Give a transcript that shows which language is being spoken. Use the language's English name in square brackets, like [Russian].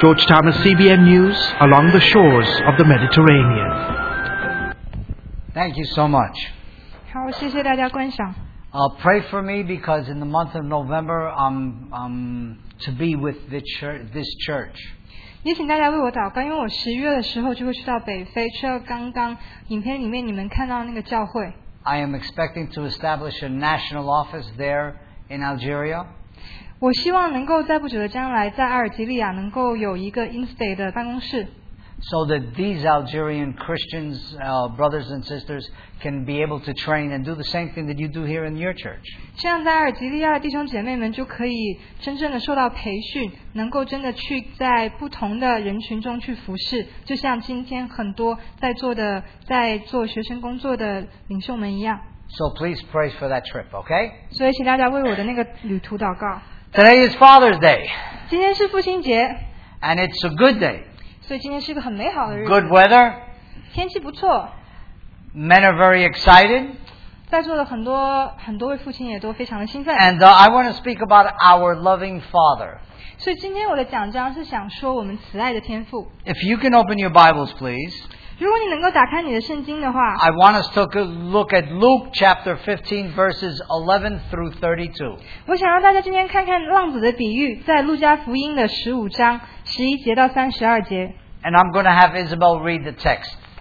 [English] George Thomas, CBN News, along the shores of the Mediterranean. Thank you so much. [Chinese] 好，谢谢大家观赏。 [English] Pray for me because in the month of November, I'm to be with this church. [Chinese] 也请大家为我祷告，因为我十月的时候就会去到北非，去到刚刚影片里面你们看到那个教会。 [English] I am expecting to establish a national office there in Algeria. [Chinese] 我希望能够在不久的将来在阿尔及利亚能够有一个 in-state 的办公室。 [English] So that these Algerian Christians, brothers and sisters, can be able to train and do the same thing that you do here in your church. [Chinese] 这样在阿尔及利亚的弟兄姐妹们就可以真正的受到培训，能够真的去在不同的人群中去服侍，就像今天很多在做学生工作的领袖们一样。 [English] So please pray for that trip, okay? [Chinese] 所以请大家为我的那个旅途祷告。 [English] Today is Father's Day. [Chinese] 今天是父亲节。 [English] And it's a good day. [Chinese] 所以今天是个很美好的日子。 [English] Good weather. [Chinese] 天气不错。 [English] Men are very excited. [Chinese] 在座的很多很多位父亲也都非常的兴奋。 [English] And I want to speak about our loving Father. [Chinese] 所以今天我的讲章是想说我们慈爱的天父。 [English] If you can open your Bibles, please. [Chinese] 如果你能够打开你的圣经的话。 [English] I want us to look at Luke chapter 15 verses 11 through 32. [Chinese] 我想让大家今天看看浪子的比喻在路加福音的十五章。 [English] And I'm going to have Isabel read the text.